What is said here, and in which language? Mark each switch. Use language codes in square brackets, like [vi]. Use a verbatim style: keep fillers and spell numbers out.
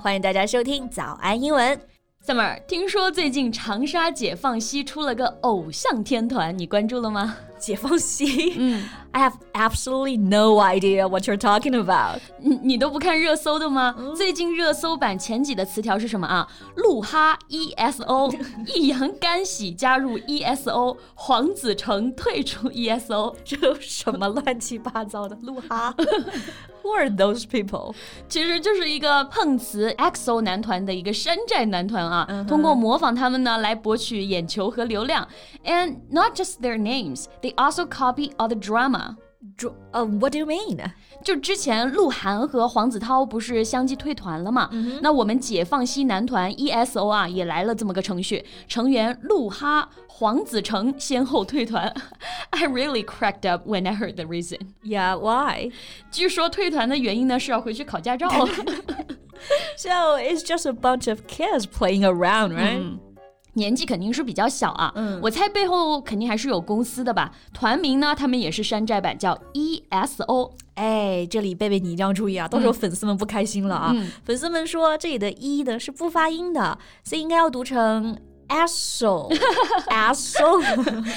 [zh] 欢迎大家收听早安英文。 Summer, 听说最近长沙解放西出了个偶像天团，你关注了吗？ [en] 解放西、嗯、I have absolutely no idea what you're talking about. [zh] 你, 你都不看热搜的吗、嗯、最近热搜版前几的词条是什么啊？鹿哈 E S O 易烊千玺加入 E S O， 黄子成退出 E S O。这有什么乱七八糟的鹿哈 [en] Who are those people? [zh] 其实就是一个碰瓷 E X O 男团的一个山寨男团啊、uh-huh. 通过模仿他们呢来博取眼球和流量。 [en] And not just their names, they also copy other drama. Dr- uh, what do you mean? [zh] 就之前鹿晗和黄子韬不是相继退团了嘛、mm-hmm. 那我们解放西男团 E S O 啊也来了这么个程序，成员鹿哈、黄子成先后退团。 [en] I really cracked up when I heard the reason. Yeah, why? [zh] 据说退团的原因呢是要回去考驾照。 [en] So it's just a bunch of kids playing around, right?、Mm. [zh] 年纪肯定是比较小啊、嗯、我猜背后肯定还是有公司的吧。团名呢他们也是山寨版叫 E S O。哎，这里贝贝你一定要注意啊，到时候粉丝们不开心了啊、嗯、粉丝们说这里的 E 的是不发音的，所以应该要读成Asshole Asshole